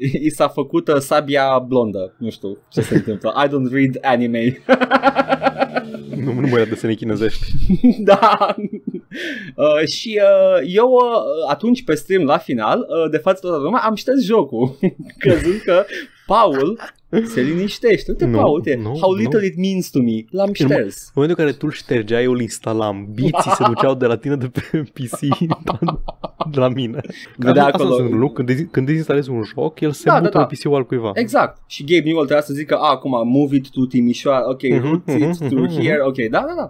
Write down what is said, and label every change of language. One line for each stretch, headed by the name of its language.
Romanian: I s-a făcut sabia blondă. Nu știu ce se întâmplă.
English: I don't read anime.
Romanian: Nu mă ia de să ne chinezești. Da. Și eu atunci pe stream la final, de față toată lumea, am șters jocul. Crezând că Paul se liniștește. Uite, Paul, uite,
English: how little it means to me.
Romanian: L-am șters. În momentul în care tu-l ștergeai, eu-l instalam. Biții se duceau de la tine de pe PC de la mine. Vedea acolo. Asta sunt când dezinstalezi un joc, el se mută la PC-ul al cuiva. Exact. Și Gabe Newell trebuia să zică, acum,
English: move it to Timișoara, ok, root it to here,
Romanian: ok, da.